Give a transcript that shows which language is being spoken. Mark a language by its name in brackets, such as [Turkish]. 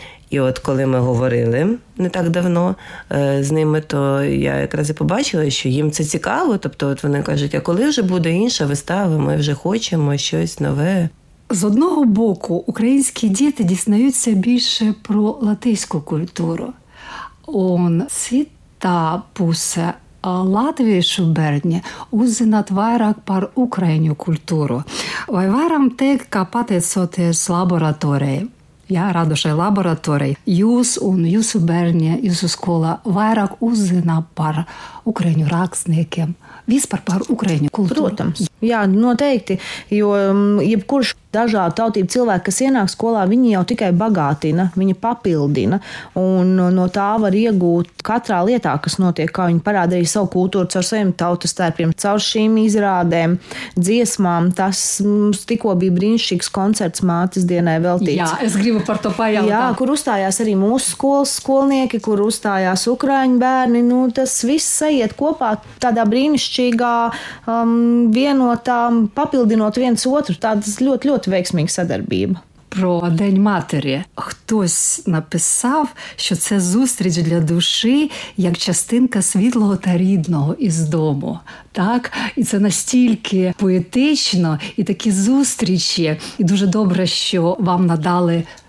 [Ukrainian] І от коли ми говорили не так давно з ними, то я якраз і побачила, що їм це цікаво. Тобто от вони кажуть, а коли вже буде інша вистава, ми вже хочемо щось нове. З одного боку, українські діти дізнаються більше про латиську культуру. [Latvian] Un cita puse, latviešu bērni uzzināt vairāk par ukraiņu kultūru. Vai varam teikt, ka pateicoties laboratorijai, jā, radošai laboratorijai, jūs un jūsu bērni, jūsu skola vairāk uzzina par ukraiņu rakstniekiem, vispār par ukraiņu kultūru? Protams. Jā, noteikti, jo jebkurš dažādu tautību cilvēki, kas ienāk skolā, viņi jau tikai bagātina, viņi papildina, un no tā var iegūt katrā lietā, kas notiek, kā viņi parāda arī savu kultūru caur saviem tautastērpiem, caur šīm izrādēm, dziesmām. Tas mums tikko bija brīnišķīgs koncerts mātes dienai veltīts. Jā, es gribu par to pajautāt. Jā, kur uzstājās arī mūsu skolas skolnieki, kur uzstājās ukraiņu bērni, nu tas viss iet kopā tādā brīnišķīgā vienotām, papildinot viens otru, tāds ļoti, ļoti veiksmīga sadarbība. [Ukrainian] Про День матері. Хтось написав, що це зустріч для душі, як частинка світлого та рідного із дому. Так? І це настільки поетично, і такі зустрічі. І дуже добре, що вам надали